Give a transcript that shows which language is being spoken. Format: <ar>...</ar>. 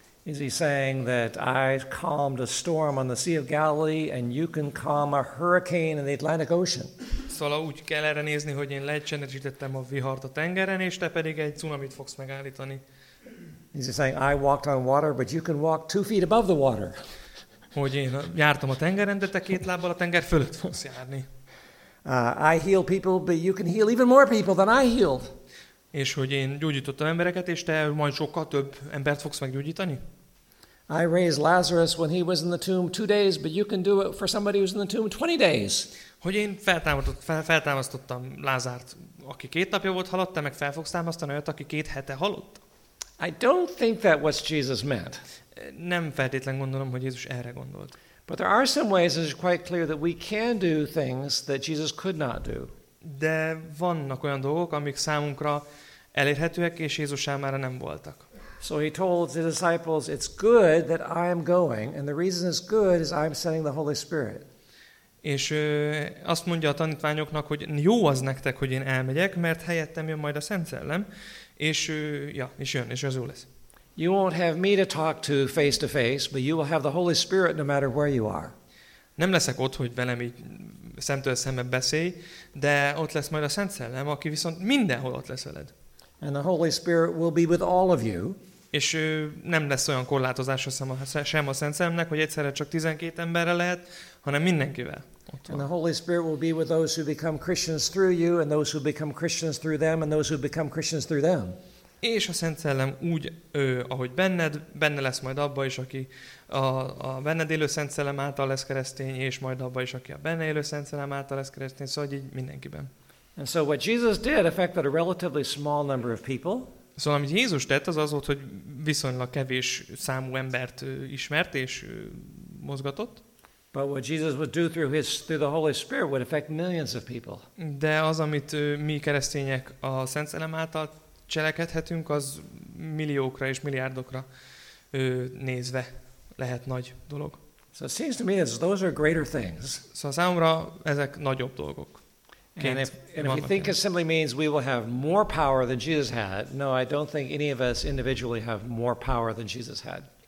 <en>Is he saying that I calmed a storm on the Sea of Galilee and you can calm a hurricane in the Atlantic Ocean?</en> <hu>Szóval úgy kell erre nézni, hogy én lecsendesítettem a vihart a tengeren, és te pedig egy cunamit fogsz megállítani.</hu> <en>Is he saying I walked on water, but you can walk 2 feet above the water?</en> <hu>Hogy én jártam a tengeren, de te két lábbal a tenger fölött fogsz járni.</hu> <en>I heal people, but you can heal even more people than I healed.</en> <hu>És hogy én gyógyítottam embereket, és te majd sokkal több embert fogsz meggyógyítani.</hu> <en>I raised Lazarus when he was in the tomb 2 days, but you can do it for somebody who's in the tomb 20 days.</en> <hu>Hogy én feltámasztottam Lázárt, aki két napja volt halott, te meg fel fogsz támasztani olyat, aki két hete halott.</hu> <en>I don't think that was Jesus meant.</en> <hu>Nem feltétlen gondolom, hogy Jézus erre gondolt.</hu> <en>But there are some ways it's quite clear that we can do things that Jesus could not do.</en> <hu>De vannak olyan dolgok, amik számunkra elérhetőek, és Jézus számára nem voltak.</hu> <en>So he told the disciples, it's good that I am going, and the reason it's good is I'm sending the Holy Spirit.</en> <hu>És azt mondja a tanítványoknak, hogy jó az nektek, hogy én elmegyek, mert helyettem jön majd a Szent Szellem, és az jó lesz.</hu> <en>You won't have me to talk to face to face, but you will have the Holy Spirit no matter where you are.</en> <hu>Nem leszek ott, hogy velem így szemtől szembe beszélj, de ott lesz majd a Szent Szellem, aki viszont mindenhol ott lesz veled.</hu> <en>And the Holy Spirit will be with all of you.</en> <hu>És nem lesz olyan korlátozás sem a Szent Szellemnek, hogy egyszerre csak 12 emberre lehet, hanem mindenkivel.</hu> <en>And the Holy Spirit will be with those who become Christians through you, and those who become Christians through them, and those who become Christians through them.</en> <hu>És a Szent Szellem úgy, ahogy benned, benne lesz majd abba is, aki a benned élő Szent Szellem által lesz keresztény, és majd abba is, aki a benne élő Szent Szellem által lesz keresztény, szóval így mindenkiben.</hu> <en>And so what Jesus did affected a relatively small number of people.</en> <hu>Szóval amit Jézus tett, az volt, hogy viszonylag kevés számú embert ismert és mozgatott.</hu> <en>But what Jesus would do through the Holy Spirit would affect millions of people.</en> <hu>De az, amit mi keresztények a Szent Szellem által cselekedhetünk, az milliókra és milliárdokra nézve lehet nagy dolog.</hu> <en>So it seems to me that those are greater things.</en> <hu>Szóval számomra ezek nagyobb dolgok.</hu> <en>And if you think it simply means we will have more power than Jesus had, no, I don't think any of us individually have more power than Jesus had.</en>